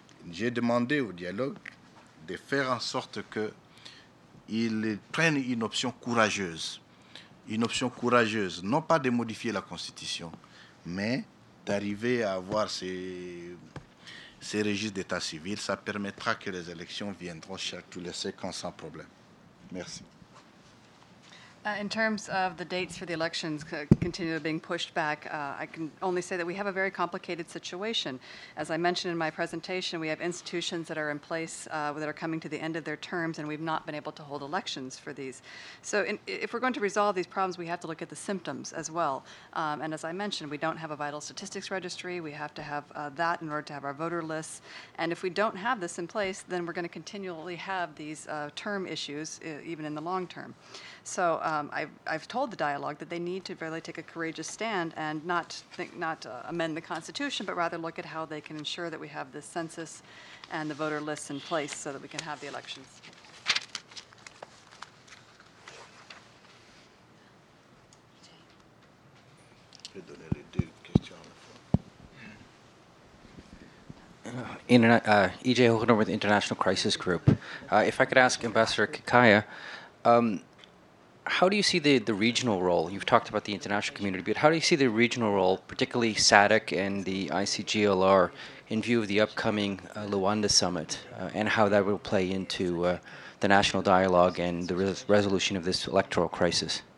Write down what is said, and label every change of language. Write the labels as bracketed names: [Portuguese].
[French] J'ai demandé au dialogue de faire en sorte qu'il prenne une option courageuse. Une option courageuse, non pas de modifier la Constitution, mais d'arriver à avoir ces registres d'état civil. Ça permettra que les élections viendront chaque tous les 5 ans sans problème. Merci. [English] In terms of the dates for the elections continue being pushed back, I can only say that we have a very complicated situation. As I mentioned in my presentation, we have institutions that are in place that are coming to the end of their terms, and we've not been able to hold elections for these. So if we're going to resolve these problems, we have to look at the symptoms as well. And as I mentioned, we don't have a vital statistics registry. We have to have that in order to have our voter lists. And if we don't have this in place, then we're going to continually have these term issues, even in the long term. So I've told the dialogue that they need to really take a courageous stand and not amend the Constitution, but rather look at how they can ensure that we have the census and the voter lists in place so that we can have the elections. Yeah. [French] peux donner les deux questions à la fois. [English] EJ Hogan with International Crisis Group. If I could ask Ambassador Kikaya, how do you see the regional role? You've talked about the international community, but how do you see the regional role, particularly SADC and the ICGLR, in view of the upcoming Luanda summit, and how that will play into the national dialogue and the resolution of this electoral crisis?